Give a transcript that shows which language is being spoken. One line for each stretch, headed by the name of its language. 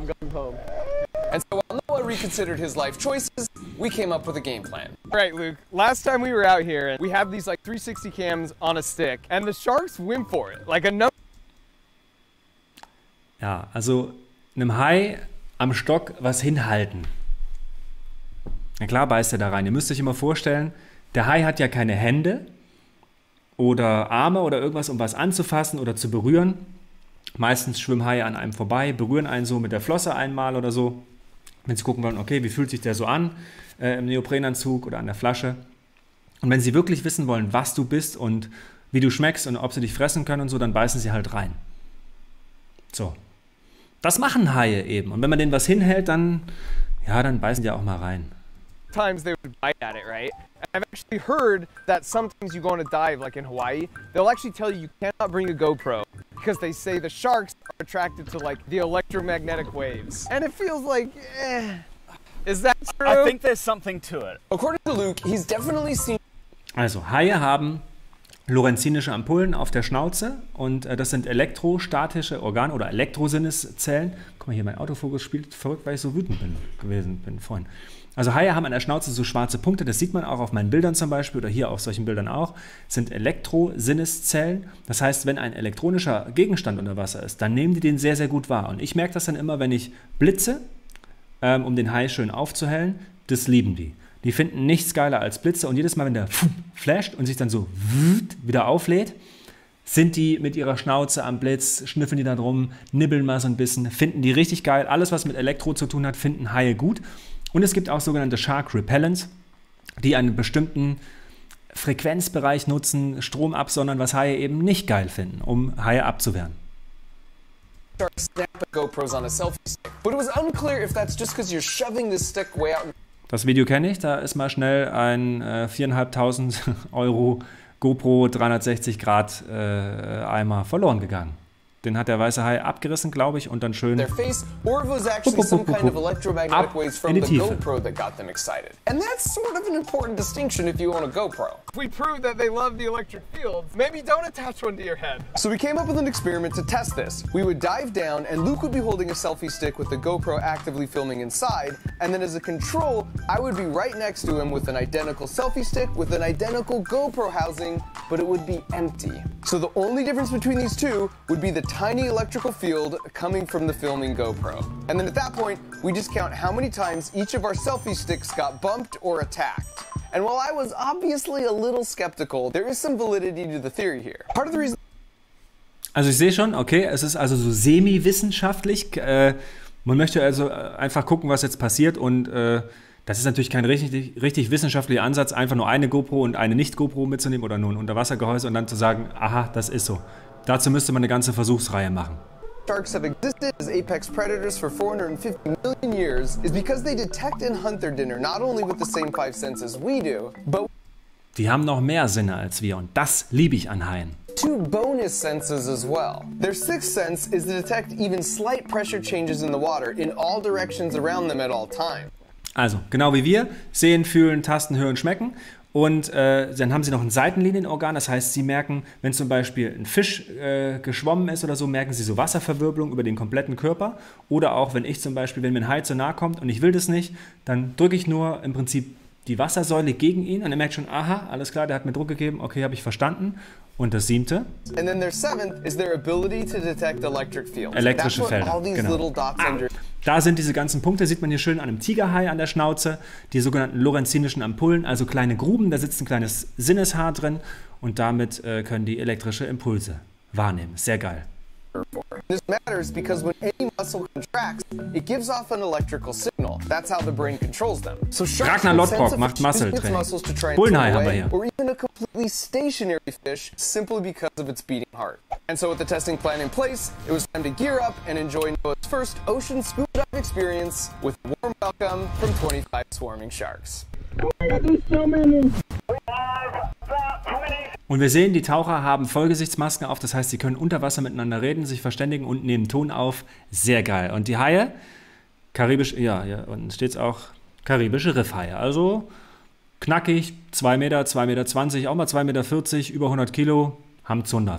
English: And so while Noah reconsidered his life choices, we came up with a game plan. Right, Luke, last time we were out here, we have these like 360 cams on a stick, and the sharks went for it. Like a
German: Ja, also einem Hai am Stock was hinhalten. Na klar beißt er da rein. Ihr müsst euch immer vorstellen, der Hai hat ja keine Hände oder Arme oder irgendwas, um was anzufassen oder zu berühren. Meistens schwimmen Haie an einem vorbei, berühren einen so mit der Flosse einmal oder so. Wenn sie gucken wollen, okay, wie fühlt sich der so an im Neoprenanzug oder an der Flasche. Und wenn sie wirklich wissen wollen, was du bist und wie du schmeckst und ob sie dich fressen können und so, dann beißen sie halt rein. So. Das machen Haie eben. Und wenn man denen was hinhält, dann, ja, dann beißen die auch mal rein.
English: Sometimes they would bite at it, right? I've actually heard that sometimes you go on a dive, like in Hawaii, they'll actually tell you you cannot bring a GoPro, because they say the sharks are attracted to, like, the electromagnetic waves. And it feels like, eh. Is that true? I think there's something to it. According to Luke, he's definitely seen...
German: Also, Haie haben lorenzinische Ampullen auf der Schnauze und das sind elektrostatische Organe oder Elektrosinneszellen. Guck mal hier, mein Autofokus spielt verrückt, weil ich so wütend bin vorhin. Also Haie haben an der Schnauze so schwarze Punkte, das sieht man auch auf meinen Bildern zum Beispiel oder hier auf solchen Bildern auch, sind Elektrosinneszellen. Das heißt, wenn ein elektronischer Gegenstand unter Wasser ist, dann nehmen die den sehr, sehr gut wahr. Und ich merke das dann immer, wenn ich blitze, um den Hai schön aufzuhellen, das lieben die. Die finden nichts geiler als Blitze und jedes Mal, wenn der flasht und sich dann so wieder auflädt, sind die mit ihrer Schnauze am Blitz, schnüffeln die da drum, nibbeln mal so ein bisschen, finden die richtig geil. Alles, was mit Elektro zu tun hat, finden Haie gut. Und es gibt auch sogenannte Shark Repellents, die einen bestimmten Frequenzbereich nutzen, Strom absondern, was Haie eben nicht geil finden, um Haie abzuwehren.
English: Sharks snap GoPros on a selfie stick. But it was unclear if that's just because you're shoving the stick way out.
German: Das Video kenne ich, da ist mal schnell ein 4.500 Euro GoPro 360 Grad Eimer verloren gegangen. Den hat der weiße Hai abgerissen, glaube ich, und dann schön ab in die Tiefe.
English: GoPro that got them excited. And that's sort of an important distinction if you own a GoPro. We proved that they love the electric fields. Maybe don't attach one to your head. So we came up with an experiment to test this. We would dive down and Luke would be holding a selfie stick with the GoPro actively filming inside, and then as a control, I would be right next to him with an identical selfie stick with an identical GoPro housing, but it would be empty. So the only difference between these two would be the tiny electrical field coming from the filming GoPro. And then at that point, we just count how many times each of our selfie sticks got bumped or attacked. And while I was obviously a little skeptical, there is some validity to the theory here. Part of the reason...
German: Also ich sehe schon, okay, es ist also so semi-wissenschaftlich. Man möchte also einfach gucken, was jetzt passiert. Und das ist natürlich kein richtig wissenschaftlicher Ansatz, einfach nur eine GoPro und eine Nicht-GoPro mitzunehmen oder nur ein Unterwassergehäuse und dann zu sagen, aha, das ist so. Dazu müsste man eine ganze Versuchsreihe machen.
English: Sharks have existed as apex predators for 450 million years is because they detect and hunt their dinner not only with the same five senses we do, but
German: die haben noch mehr Sinne als wir und das liebe ich an Haien.
English: Two bonus senses as well. Their sixth sense is to detect even slight pressure changes in the water in all directions around them at all time.
German: Also, genau wie wir, sehen, fühlen, tasten, hören, schmecken. Und dann haben sie noch ein Seitenlinienorgan, das heißt, sie merken, wenn zum Beispiel ein Fisch geschwommen ist oder so, merken sie so Wasserverwirbelung über den kompletten Körper. Oder auch, wenn ich zum Beispiel, wenn mir ein Hai zu nahe kommt und ich will das nicht, dann drücke ich nur im Prinzip die Wassersäule gegen ihn und er merkt schon, aha, alles klar, der hat mir Druck gegeben, okay, habe ich verstanden. Und das siebte.
English: And then their seventh is their ability to detect electric fields.
German: Elektrische Felder, genau. Da sind diese ganzen Punkte, sieht man hier schön an einem Tigerhai an der Schnauze, die sogenannten lorenzinischen Ampullen, also kleine Gruben, da sitzt ein kleines Sinneshaar drin und damit können die elektrische Impulse wahrnehmen. Sehr geil.
English: This matters because when any muscle contracts, it gives off an electrical signal. That's how the brain controls them.
German: So Ragnar Lodbrok macht Muscle Training. Bullenhai haben wir hier.
English: Or even a completely stationary fish simply because of its beating heart. And so with the testing plan in place, it was time to gear up and enjoy Noah's first ocean scuba dive experience with a warm welcome from 25 swarming sharks.
German: Und wir sehen, die Taucher haben Vollgesichtsmasken auf, das heißt, sie können unter Wasser miteinander reden, sich verständigen und nehmen Ton auf. Sehr geil. Und die Haie, karibisch, ja, hier unten steht es auch, karibische Riffhaie. Also knackig, 2 Meter, 2 Meter 20, auch mal 2 Meter 40, über 100 Kilo, haben Zunder.